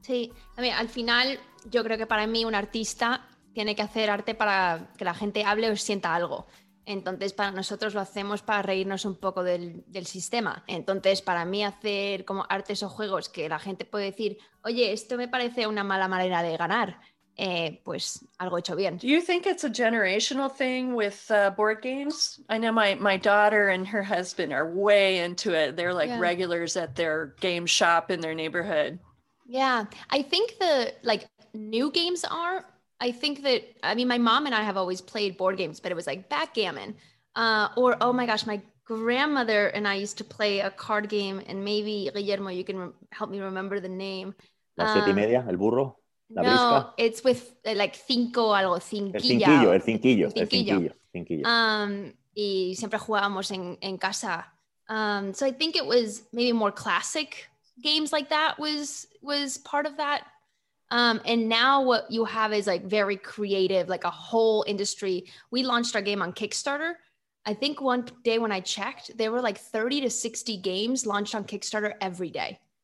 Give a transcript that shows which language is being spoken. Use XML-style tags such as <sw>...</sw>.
<es>Sí, a mí, al final yo creo que para mí un artista tiene que hacer arte para que la gente hable o sienta algo. Entonces para nosotros lo hacemos para reírnos un poco del sistema. Entonces para mí hacer como artes o juegos que la gente puede decir, oye, esto me parece una mala manera de ganar, pues algo hecho bien.</es> <en>Do you think it's a generational thing with board games? I know my daughter and her husband are way into it. They're like regulars at their game shop in their neighborhood. Yeah, I think the like new games are. I think that, I mean, my mom and I have always played board games, but it was like backgammon. Or, oh my gosh, my grandmother and I used to play a card game, and maybe, Guillermo, you can help me remember the name.</en> <es>La siete y media, el burro, la no, brisca.</es> <en>No, it's with like cinco algo, cinquillo.</en> <es>El cinquillo. y siempre jugábamos en casa.</es> <en>So I think it was maybe more classic games like that was part of that. And now what you have is like very creative, like a whole industry. We launched our game on Kickstarter. I think one day when I checked, there were like 30 to 60 games launched on Kickstarter every day.</en>